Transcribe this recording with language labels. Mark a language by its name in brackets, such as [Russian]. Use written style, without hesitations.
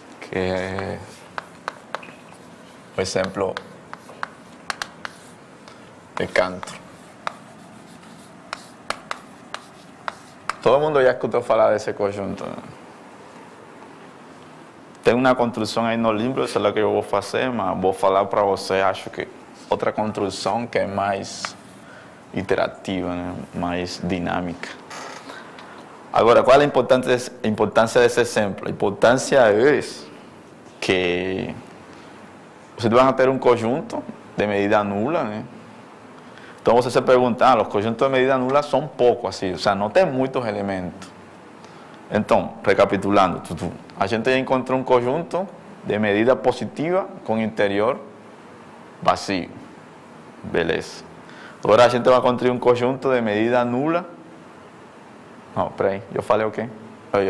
[Spanish] Que es un ejemplo de Cantor. Todo el mundo ya escuchó hablar de ese conjunto, ¿no? [Portuguese] Tem uma construção aí no livro, sei lá o que eu vou fazer, mas vou falar para você, acho que outra construção que é mais iterativa, né? Mais dinâmica. Agora, qual é a importância desse exemplo? A importância é que você vai ter um conjunto de medida nula, né? Então você se pergunta, ah, os conjuntos de medida nula são poucos, assim, ou seja, não tem muitos elementos. [Spanish] Entonces, recapitulando, [Portuguese] a gente [Spanish] ya encontró un conjunto de medida positiva con interior vacío. [Portuguese] Beleza. [Spanish] Ahora a gente va a construir un conjunto de medida nula. No, espera ahí, yo falei ¿qué? Okay.